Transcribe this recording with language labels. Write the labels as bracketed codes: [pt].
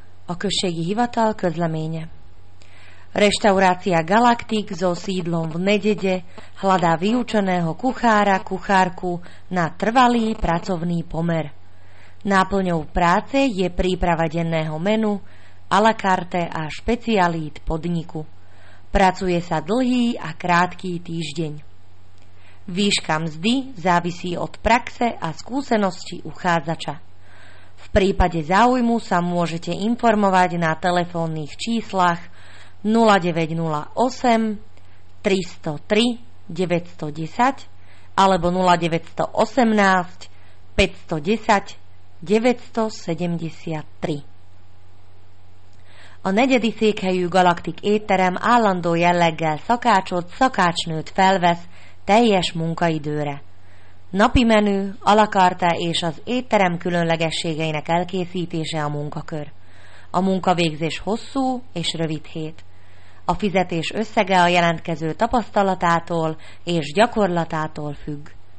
[hu] Okršejí hivatal Közleménye. [sk] Reštaurácia Galaktik so sídlom v Nedede hľadá vyučeného kuchára, kuchárku na trvalý pracovný pomer. Náplňou práce je príprava denného menu, a la carte a špecialít podniku. Pracuje sa dlhý a krátky týždeň. Výška mzdy závisí od praxe a skúsenosti uchádzača. V prípade záujmu sa môžete informovať na telefónnych číslach 0908 303 910 alebo 0918 510 973. [hu] A negyedi székhelyű Galaktik étterem állandó jelleggel szakácsot, szakácsnőt felvesz teljes munkaidőre. Napi menü, a la carte és az étterem különlegességeinek elkészítése a munkakör. A munkavégzés hosszú és rövid hét. A fizetés összege a jelentkező tapasztalatától és gyakorlatától függ.